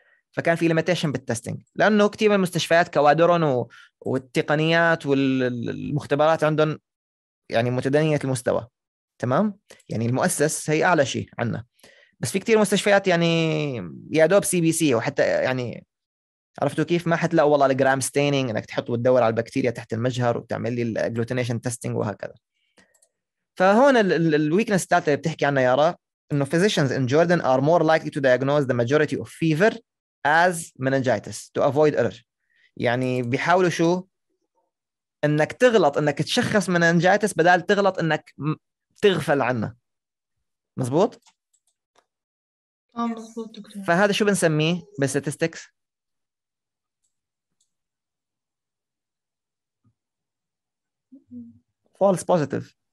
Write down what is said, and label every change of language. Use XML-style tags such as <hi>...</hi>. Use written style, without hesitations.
<ar>فكان في ليميتيشن بالتستينج لأنه كثير من المستشفيات كوادرهم والتقنيات والمختبرات عندهم يعني متدنية المستوى. تمام يعني المؤسس هي أعلى شيء عندنا بس في كثير مستشفيات يعني يا دوب سي بي سي وحتى يعني عرفتوا كيف ما حتلاقوا والله الجرام ستينينج إنك تحط وتدور على البكتيريا تحت المجهر وتعمل لي الجلوتينيشن تستينج وهكذا. فهون الويكنس ستات اللي بتحكي عنها يارا انه</ar> <en>physicians in Jordan are more likely to diagnose the majority of fever as meningitis to avoid error.</en> <ar>يعني بيحاولوا شو انك تغلط انك تشخص meningitis بدال تغلط انك تغفل عنه. مزبوط؟ مزبوط دكتور. فهذا شو بنسميه بالستاتستكس؟ false positive.</ar>